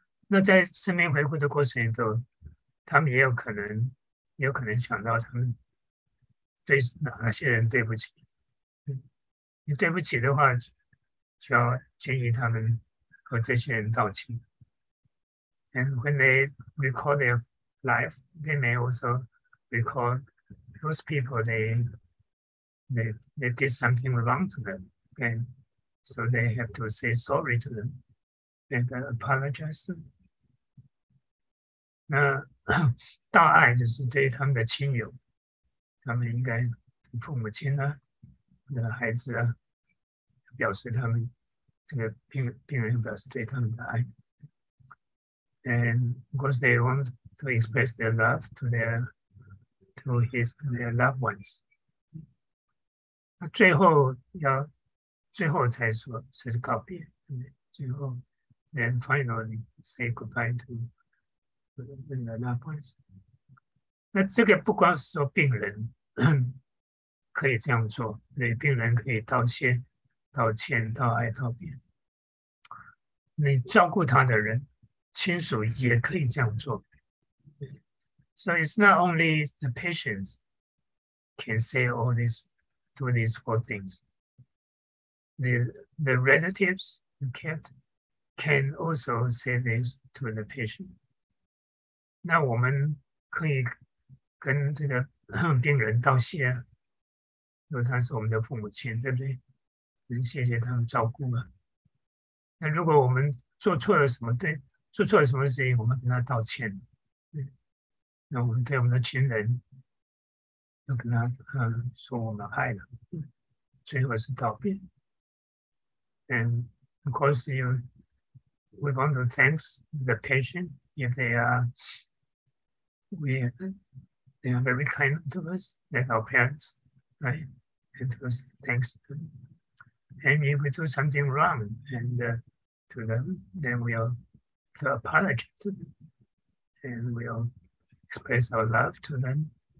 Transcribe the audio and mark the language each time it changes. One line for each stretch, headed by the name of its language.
Chinese: 那在生命回顾的过程里头，他们也有可能想到他们对哪些人对不起。你对不起的话，就要建议他们和这些人道歉。
English: And when they recall their life, they may also recall those people they did something wrong to them. And so they have to say sorry to them and apologize to them.
Chinese: 那 道爱就是对他们的亲友，他们应该父母亲啊，那个孩子啊。表示他们这个病人表示对他们的爱，
English: and of course they want to express their love to their loved ones。
Chinese: 那最后才说才是告别，最后
English: then finally say goodbye to their loved ones。
Chinese: 那这个不光是说病人 可以这样做，对病人可以道歉。道歉、道爱、道别，那照顾他的人、亲属也可以这样做。
English: So it's not only the patients can say all these, do these four things. The relatives, the kids, can also say this to the patient.
Chinese: 那我们可以跟这个病人道谢，因为他是我们的父母亲，对不对？能谢谢他们照顾吗？那如果我们做错了什么，对，做错了什么事情，我们跟他道歉，那我们对我们的亲人，要跟他说我们爱他，最后是道别。
English: And of course, we want to thanks the patient if they are very kind to us, like our parents, right? And to us, thanks to them. And if we do something wrong and to them, then we'll apologize to them and we'll express our love to them.